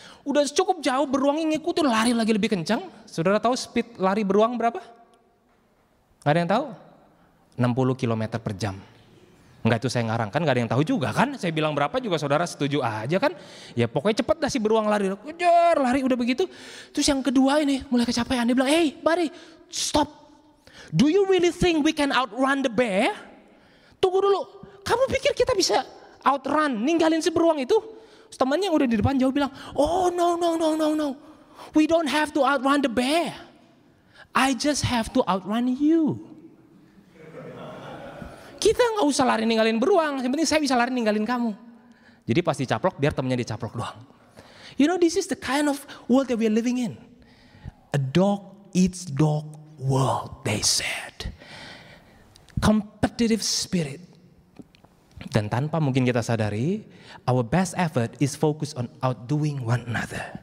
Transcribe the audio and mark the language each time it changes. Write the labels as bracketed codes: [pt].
[id] Udah cukup jauh, beruangnya ngikutin, lari lagi lebih kencang. Saudara tahu speed lari beruang berapa? Gak ada yang tahu? 60 km per jam. Enggak, itu saya ngarang, kan gak ada yang tahu juga kan. Saya bilang berapa juga saudara setuju aja kan. Ya pokoknya cepet dah si beruang lari. Kejar, lari udah begitu. Terus yang kedua ini mulai kecapean. Dia bilang, [en] hey buddy, stop. Do you really think we can outrun the bear? [id] Tunggu dulu, kamu pikir kita bisa outrun, ninggalin si beruang itu? Temannya yang udah di depan jauh bilang, [en] oh no, no, no, no, no. We don't have to outrun the bear. I just have to outrun you. [id] Kita gak usah lari ninggalin beruang, yang penting saya bisa lari ninggalin kamu. Jadi pas dicaplok, biar temannya dicaplok doang. [en] You know, this is the kind of world that we are living in. A dog eats dog world, they said. Competitive spirit. [id] Dan tanpa mungkin kita sadari, [en] our best effort is focused on outdoing one another.